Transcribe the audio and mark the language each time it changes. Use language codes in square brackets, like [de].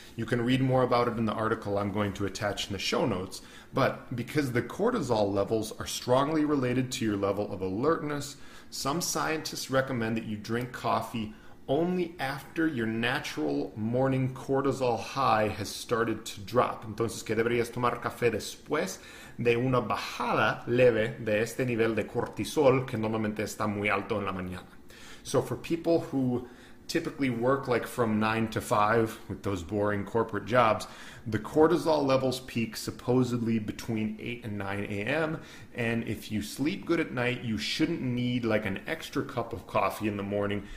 [en] You can read more about it in the article I'm going to attach in the show notes, but because the cortisol levels are strongly related to your level of alertness, some scientists recommend that you drink coffee only after your natural morning cortisol high has started to drop. [es] Entonces, que deberías tomar café después de una bajada leve de este nivel de cortisol que normalmente está muy alto en la mañana. [en] So for people who typically work like from 9 to 5 with those boring corporate jobs, the cortisol levels peak supposedly between 8 and 9 a.m. And if you sleep good at night, you shouldn't need like an extra cup of coffee in the morning.